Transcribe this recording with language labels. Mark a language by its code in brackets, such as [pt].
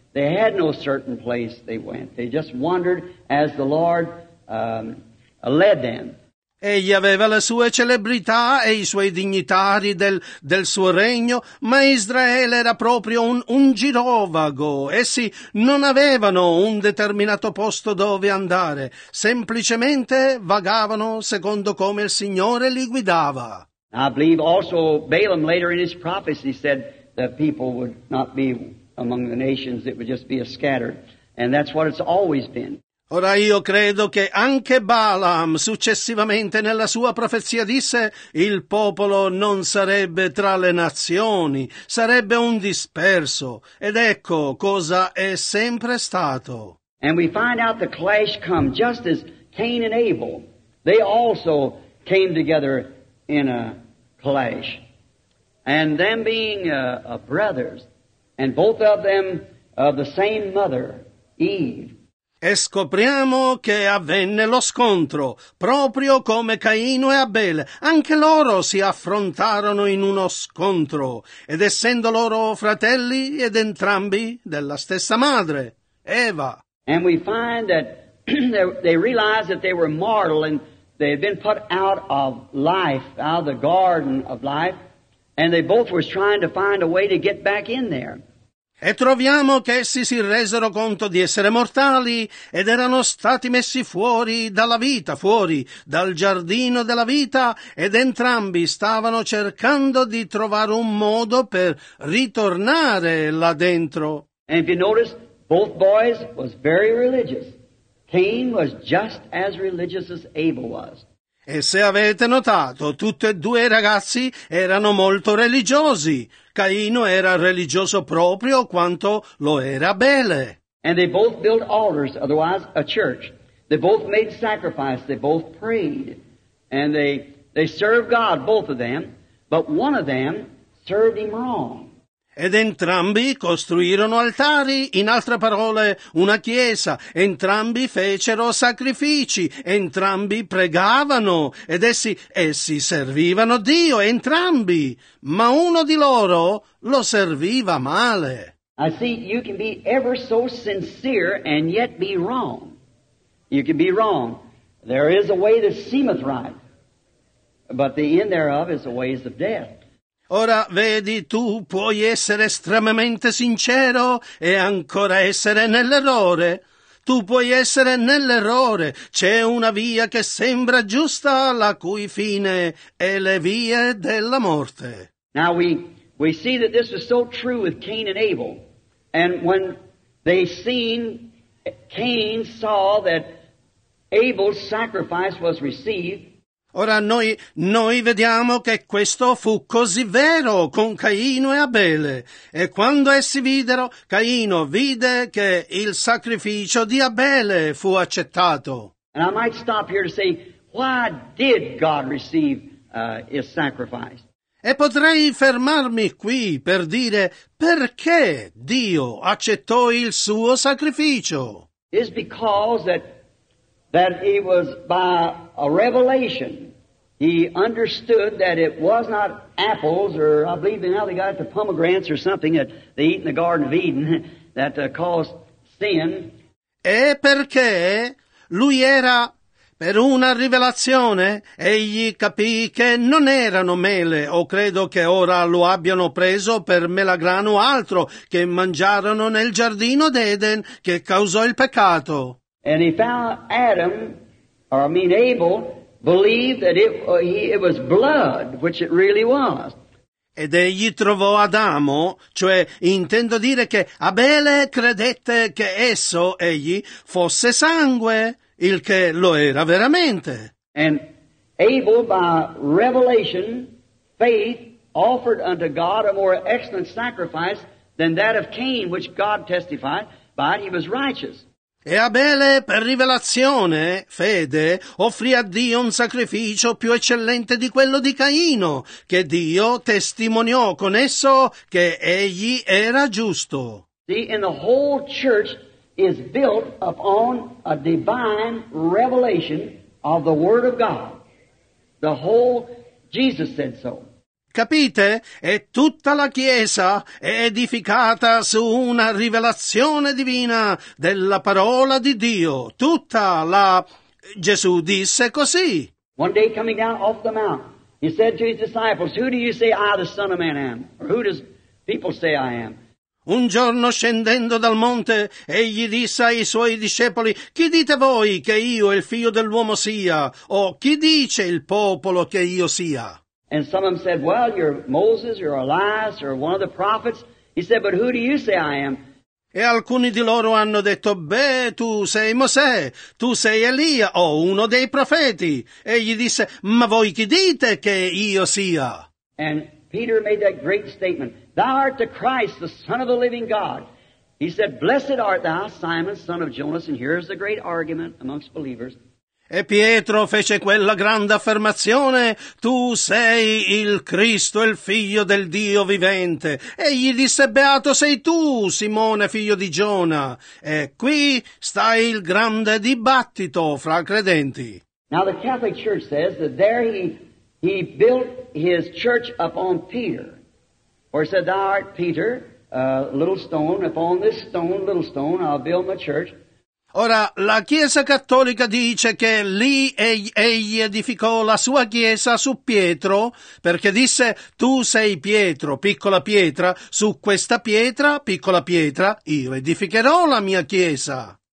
[en] They had no certain place they went. They just wandered as the Lord led them. [it] Egli aveva le sue celebrità e i suoi dignitari del suo regno, ma Israele era proprio un girovago. Essi non avevano un determinato posto dove andare, semplicemente vagavano secondo come il Signore li guidava. [en] I believe also Balaam later in his prophecy said that people would not be among the nations, it would just be a scattered, and that's what it's always been. [it] Ora io credo che anche Balaam successivamente nella sua profezia disse il popolo non sarebbe tra le nazioni, sarebbe un disperso. Ed ecco cosa è sempre stato. [en] And we find out the clash come just as Cain and Abel, they also came together in a clash. And them being brothers, and both of them of the same mother, Eve. [it] E scopriamo che avvenne lo scontro, proprio come Caino e Abele. Anche loro si affrontarono in uno scontro, ed essendo loro fratelli ed entrambi della stessa madre, Eva. [en] And we find that they realized that they were mortal and they had been put out of life, out of the garden of life, and they both were trying to find a way to get back in there. [it] E troviamo che essi si resero conto di essere mortali ed erano stati messi fuori dalla vita, fuori dal giardino della vita, ed entrambi stavano cercando di trovare un modo per ritornare là dentro. [en] And if you notice, both boys was very religious. Cain was just as religious as Abel was. [it] E se avete notato, tutti e due i ragazzi erano molto religiosi. Caino era religioso proprio quanto lo era Abele. [en] And they both built altars, otherwise a church. They both made sacrifice, they both prayed. And they served God, both of them, but one of them served him wrong. [it] Ed entrambi costruirono altari, in altre parole, una chiesa. Entrambi fecero sacrifici, entrambi pregavano, ed essi servivano Dio, entrambi. Ma uno di loro lo serviva male. [en] I see, you can be ever so sincere and yet be wrong. You can be wrong. There is a way that seemeth right, but the end thereof is the ways of death. [it] Ora, vedi, tu puoi essere estremamente sincero e ancora essere nell'errore. Tu puoi essere nell'errore. C'è una via che sembra giusta, la cui fine è le vie della morte. [en] Now we see that this was so true with Cain and Abel. And when they seen, Cain saw that Abel's sacrifice was received. [it] Ora noi vediamo che questo fu così vero con Caino e Abele. E quando essi videro, Caino vide che il sacrificio di Abele fu accettato. [en] And I might stop here to say, why did God receive his sacrifice? [it] E potrei fermarmi qui per dire perché Dio accettò il suo sacrificio. [en] It's because that he was by a revelation. He understood that it was not apples, or I believe now they got it, the pomegranates or something that they eat in the Garden of Eden that caused sin. [it] E perché lui era per una rivelazione, egli capì che non erano mele, o credo che ora lo abbiano preso per melagrano o altro che mangiarono nel giardino d'Eden che causò il peccato. [en] And he found Adam, or I mean Abel, believed that it was blood, which it really was. [it] Ed egli trovò Adamo, cioè intendo dire che Abele credette che esso, egli, fosse sangue, il che lo era veramente. [en] And Abel, by revelation, faith, offered unto God a more excellent sacrifice than that of Cain, which God testified by it, he was righteous. [it] E Abele, per rivelazione, fede, offrì a Dio un sacrificio più eccellente di quello di Caino, che Dio testimoniò con esso che egli era giusto. [en] See, and the whole church is built upon a divine revelation of the Word of God. The whole, Jesus said so. [it] Capite? E tutta la Chiesa è edificata su una rivelazione divina della parola di Dio. Tutta la... Gesù disse così. [en] One day coming down off the mount, he said to his disciples, who do you say I, the Son of Man, am? Or who does people say I am? [it] Un giorno scendendo dal monte, egli disse ai suoi discepoli, chi dite voi che io il figlio dell'uomo sia? O chi dice il popolo che io sia? [en] And some of them said, well, you're Moses, you're Elias, or one of the prophets. He said, but who do you say I am? [it] E alcuni di loro hanno detto, beh, tu sei Mosè, tu sei Elia, o uno dei profeti. E gli disse, ma voi chi dite che io sia? [en] And Peter made that great statement, thou art the Christ, the Son of the living God. He said, blessed art thou, Simon, son of Jonas. And here's the great argument amongst believers. [it] E Pietro fece quella grande affermazione, tu sei il Cristo, il figlio del Dio vivente. E gli disse, beato sei tu, Simone, figlio di Giona. E qui sta il grande dibattito fra credenti. [en] Now the Catholic Church says that there he built his church upon Peter. Or said, thou art Peter, little stone, upon this stone, little stone, I'll build my church. [it] Ora, la Chiesa Cattolica dice che lì egli edificò la sua Chiesa su Pietro, perché disse, tu sei Pietro, piccola pietra, su questa pietra, piccola pietra, io edificherò la mia Chiesa.